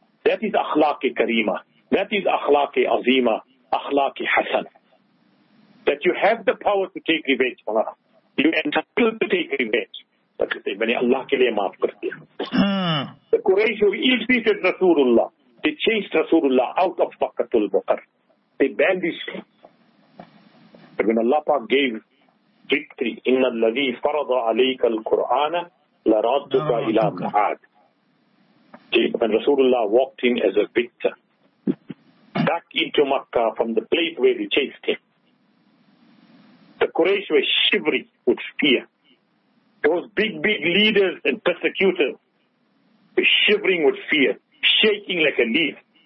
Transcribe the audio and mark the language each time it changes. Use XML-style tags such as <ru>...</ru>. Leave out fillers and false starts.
<en>That is akhlaq-i kareema. That is akhlaq-i azima. Akhlaq-i hasan. That you have the power to take revenge. You are entitled to take revenge. Like you say, when</en> <ur>Allah ke liye maaf kar diya.</ur> <en>The Quraysh who ill-treated Rasulullah, they chased Rasulullah out of Makkatul Bukhar. They banished him. But when Allah Pak gave victory,</en> <ar>إِنَّ الَّذِي فَرَضَ عَلَيْكَ الْقُرْآنَ لَرَادُّكَ إِلَىٰ مَعَادٍ.</ar> <en>When Rasulullah walked in as a victor, back into Makkah from the place where they chased him, the Quraysh were shivering with fear. Those big, big leaders and persecutors were shivering with fear, shaking like a leaf.</en>